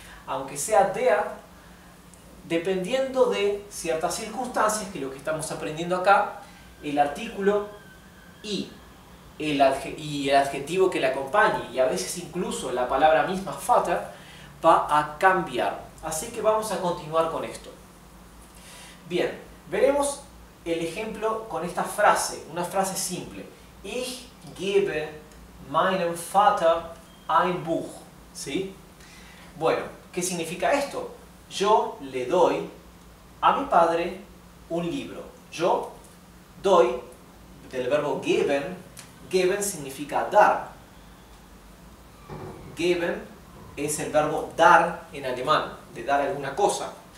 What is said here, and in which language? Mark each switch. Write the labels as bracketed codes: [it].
[es] Aunque sea der, dependiendo de ciertas circunstancias, que es lo que estamos aprendiendo acá, el artículo y el adjetivo que le acompañe, y a veces incluso la palabra misma, Vater, va a cambiar. Así que vamos a continuar con esto. Bien, veremos el ejemplo con esta frase, una frase simple. [de] Ich gebe meinem Vater ein Buch. [es] ¿Sí? Bueno, ¿qué significa esto? Yo le doy a mi padre un libro. Yo doy, del verbo geben. Geben significa dar. Geben es el verbo dar en alemán, de dar alguna cosa.